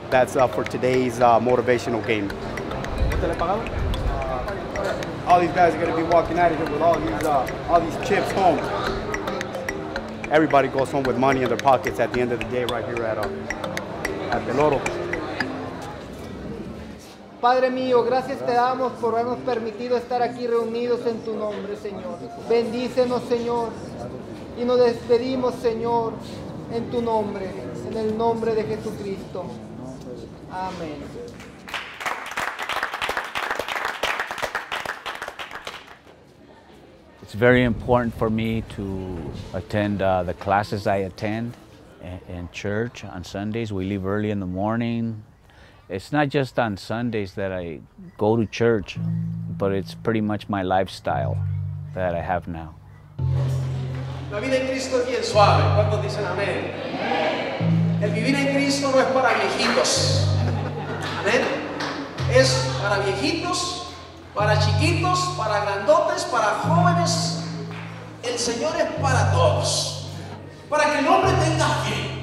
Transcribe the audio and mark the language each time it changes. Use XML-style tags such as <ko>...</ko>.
<en>That's for today's motivational game. All these guys are gonna be walking out of here with all these chips home. Everybody goes home with money in their pockets at the end of the day right here at El Oro.</en> <es>Padre mío, gracias te damos por habernos permitido estar aquí reunidos en tu nombre, Señor. Bendícenos, Señor, y nos despedimos, Señor, en tu nombre, en el nombre de Jesucristo. Amén.</es> <en>It's very important for me to attend the classes I attend in church on Sundays. We leave early in the morning. It's not just on Sundays that I go to church, but it's pretty much my lifestyle that I have now.</en> <es>La vida en Cristo es bien suave. ¿Cuántos dicen amén? Amén. El vivir en Cristo no es para viejitos. Amén. Es para viejitos, para chiquitos, para grandotes, para jóvenes. El Señor es para todos. Para que el hombre tenga fe.</es>